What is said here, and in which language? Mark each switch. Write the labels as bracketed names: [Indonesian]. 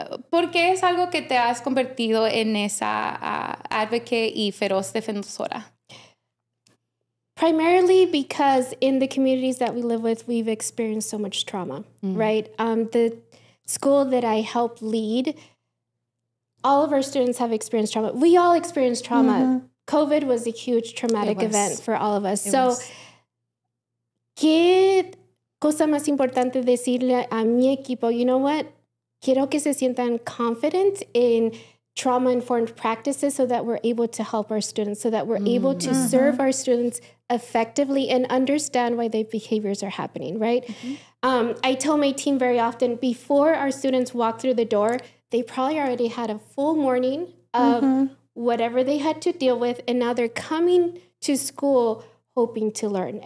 [Spanish] ¿Por qué es algo que te has convertido en esa advocate y feroz defensora? [English] Primarily because in the communities that we live with, we've experienced so much trauma, right? The school that I help lead, all of our students have experienced trauma. We all experienced trauma. Mm-hmm. COVID was a huge traumatic event for all of us. [Spanish] ¿Qué cosa más importante decirle a mi equipo? [English] You know what? [Spanish] Quiero que se sientan [English] confident in trauma-informed practices so that we're able to help our students, so that we're able to serve our students effectively and understand why their behaviors are happening, right? I tell my team very often, before our students walk through the door, they probably already had a full morning of whatever they had to deal with, and now they're coming to school hoping to learn.